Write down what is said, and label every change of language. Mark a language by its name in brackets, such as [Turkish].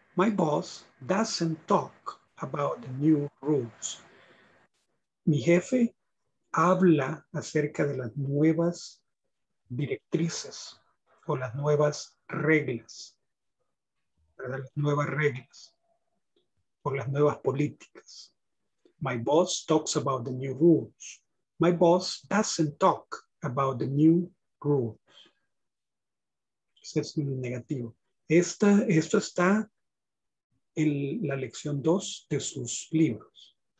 [English] My boss doesn't talk about the new rules. [Spanish] Mi jefe habla acerca de las nuevas directrices o las nuevas reglas, ¿verdad? Las nuevas reglas o las nuevas políticas. [English] My boss talks about the new rules. My boss doesn't talk about the new rules. [Spanish] Ese es un negativo. Esto está en la lección 2 de sus libros.